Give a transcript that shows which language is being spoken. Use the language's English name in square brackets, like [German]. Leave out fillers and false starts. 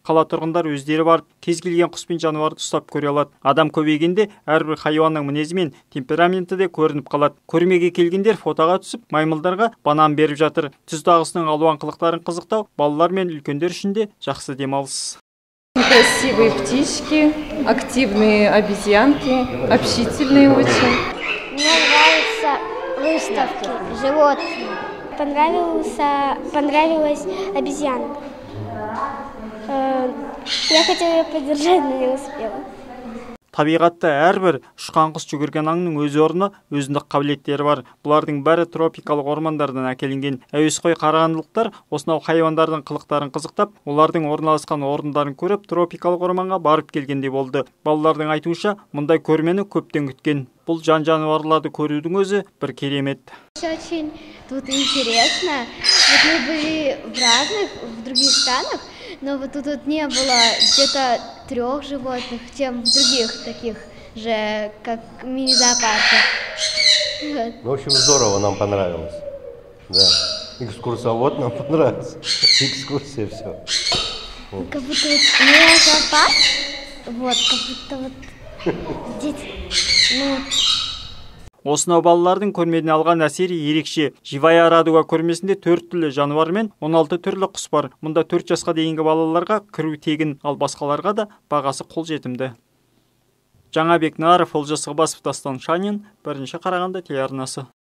[Kazakh] Қала тұрғындар өздері барып, кез келген құс пен жануарды ұстап көре алады. Адам көбейгенде әрбір хайуанның мінезі мен темпераменті де көрініп қалады. Көрмеге келгендер фотоға түсіп, маймылдарға банан беріп жатыр. Түз дағысының алуан қылықтарын қызықтау балалар мен үлкендер үшін де жақсы демалыс. [Russian] Красивые птички, активные обезьянки, общительные очень. Мне нравятся выставки животных. Понравилась обезьянка. Я хотела ее подержать, но не успела. [Kazakh] Табиғатты әрбір ұшқанғыс жүгірген аңның өз орны, өзіндік қабілеттері бар. Бұлардың бәрі тропикалық ормандардан әкелінген. Әуесқой қарағандылықтар осынау хайуандардың қылықтарын қызықтап, олардың орналасқан орындарын көріп, тропикалық орманға барып келгенде болды. Балалардың айтуынша, мұндай көрмені көптен күткен. Бұл жан-жануарларды көрудің өзі бір керемет. [Russian] Тут интересно. Мы были в разных, в других странах, но вот тут вот не было где-то трех животных, чем в других таких же, как мини-зоопарках. Вот. В общем, здорово, нам понравилось. Да. Экскурсовод нам понравился. Экскурсия, все. Вот. Как будто вот мини-зоопарк, вот, как будто вот дети, ну... [Kazakh] Осынау балалардың көрмеден алған әсері ерекше. Живая радуга көрмесінде 4 түрлі жануар мен 16 түрлі құс бар. Мұнда 4 жасқа дейінгі балаларға кіру тегін, ал басқаларға да бағасы қолжетімді. Жаңабек Наров, Олжас Сығбасов, Дастан Шанин, 1-ші Қарағанды телеарнасы.